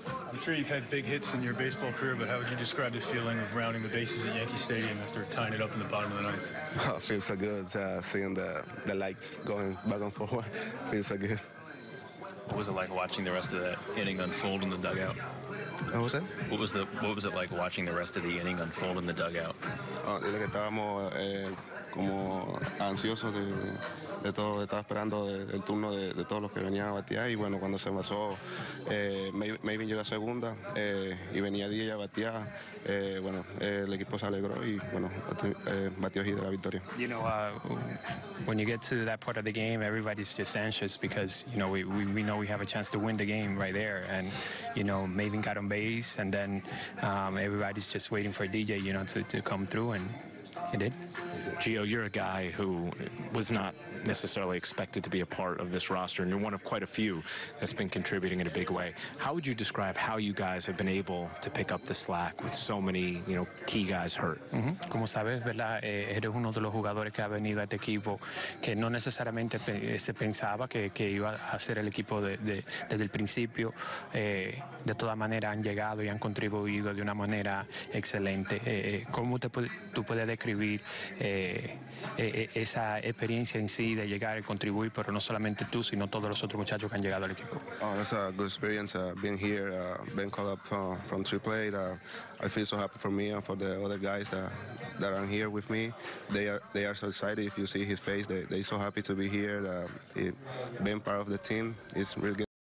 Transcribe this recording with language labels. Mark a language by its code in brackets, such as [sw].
[en] I'm sure you've had big hits in your baseball career, but how would you describe the feeling of rounding the bases at Yankee Stadium after tying it up in the bottom of the ninth? Oh, feels so good seeing the lights going back and forth. Feels so good. What was it like watching the rest of that inning unfold in the dugout? What was that? What was it like watching the rest of the inning unfold in the dugout? [es] Que estábamos como ansiosos de todo, estaba esperando el turno de todos los que venían a batear, y bueno, cuando se pasó, Maybe llegó a segunda, y venía Díaz a batear, bueno, el equipo se alegró, y bueno, batió y de la victoria. [en] You know, when you get to that part of the game, everybody's just anxious because, you know, we know we have a chance to win the game right there, and, you know, Maybe got on base, and then everybody's just waiting for DJ, you know, to come through, and he did. Gio, you're a guy who was not necessarily expected to be a part of this roster, and you're one of quite a few that's been contributing in a big way. How would you describe how you guys have been able to pick up the slack with so many, you know, key guys hurt? [es] Mm-hmm. Como sabes, ¿verdad? Eres uno de los jugadores que ha venido a este equipo que no necesariamente se pensaba que iba a ser el equipo desde el principio. De toda manera, han llegado y han contribuido de una manera excelente. ¿Cómo tú puedes describir esa experiencia en sí de llegar y contribuir, pero no solamente tú, sino todos los otros muchachos que han llegado al equipo? [en] Oh, that's a good experience, being here, being called up from AAA. I feel so happy for me and for the other guys that are here with me. They are so excited. If you see his face, they're so happy to be here. Being part of the team is really good.